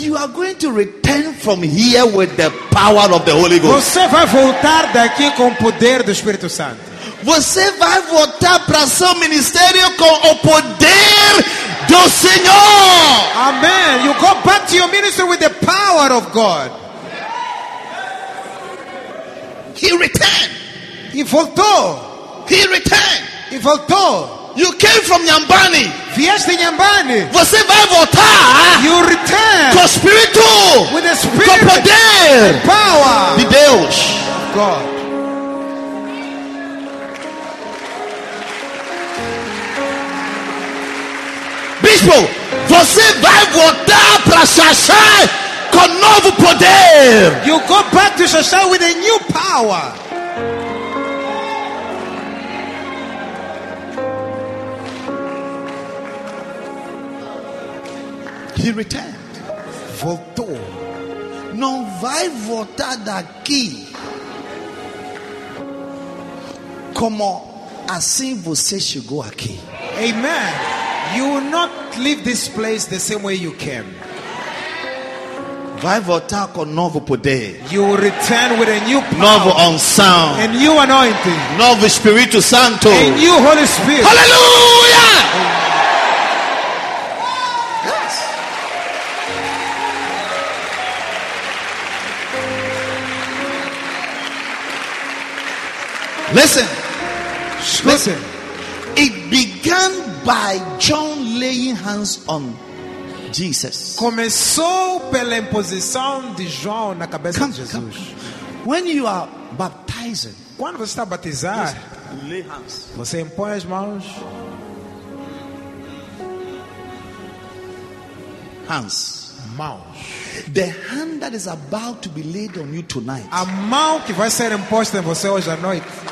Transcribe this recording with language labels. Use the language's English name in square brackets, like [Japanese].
[English] You are going to return from here with the power of the Holy Ghost. [Portuguese] Você vai voltar daqui com o poder do Espírito Santo. Você vai voltar para seu ministério com o poder do Senhor. [English] Amen. You go back to your ministry with the power of God. He returned. [Portuguese] E voltou. [English] He returned. [Portuguese] E voltou. [English] You came from Nyambani. [Portuguese] Vieste Nyambani. Você vai voltar. [English] You return. [Portuguese] Com o Espírito. [English] With the Spirit. [Portuguese] Com poder. [English] And power. [Portuguese] De Deus. [English] God. [Portuguese] Bispo, você vai voltar para Xaxá com novo poder. [English] You go back to Xaxá with a new power. He returned. [Portuguese] Voltou. Não vai voltar daqui como assim você chegou aqui. [English] Amen. You will not leave this place the same way you came. [Portuguese] Vai voltar com novo poder. [English] You will return with a new power. [Portuguese] Novo unção. [English] A new anointing. [Portuguese] Novo Espírito Santo. [English] A new Holy Spirit. Hallelujah! Yes. Listen. Listen. It began by John laying hands on Jesus. [Portuguese] Começou pela imposição de João na cabeça de Jesus. [English] When you are baptizing, [Portuguese] quando você está batizar, [English] lay hands. [Portuguese] Você impõe as mãos. [English] Hands. [Portuguese] Mãos. [English] The hand that is about to be laid on you tonight. [Portuguese] A mão que vai ser imposta em você hoje à noite.